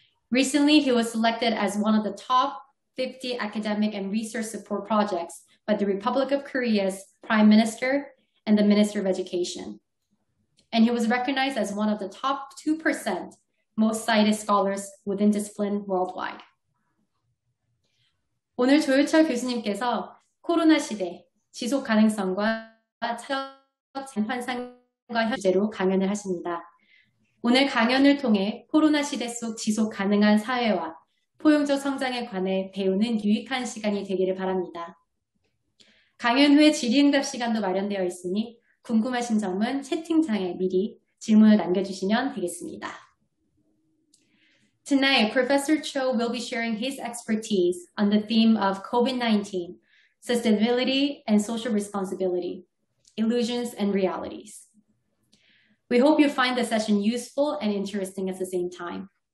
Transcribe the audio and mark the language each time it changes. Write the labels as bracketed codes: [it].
[en] Recently, he was selected as one of the top 50 academic and research support projects by the Republic of Korea's Prime Minister and the Minister of Education. And he was recognized as one of the top 2% most cited scholars within discipline worldwide. [ko] 오늘 조유철 교수님께서 코로나 시대 지속 가능성과 차별 환상과 현재로 강연을 하십니다. 오늘 강연을 통해 코로나 시대 속 지속 가능한 사회와 포용적 성장에 관해 배우는 유익한 시간이 되기를 바랍니다. 강연 후에 질의응답 시간도 마련되어 있으니 궁금하신 점은 채팅창에 미리 질문을 남겨주시면 되겠습니다. [en] Tonight, Professor Cho will be sharing his expertise on the theme of COVID-19, sustainability and social responsibility, illusions and realities. We hope you find the session useful and interesting at the same time.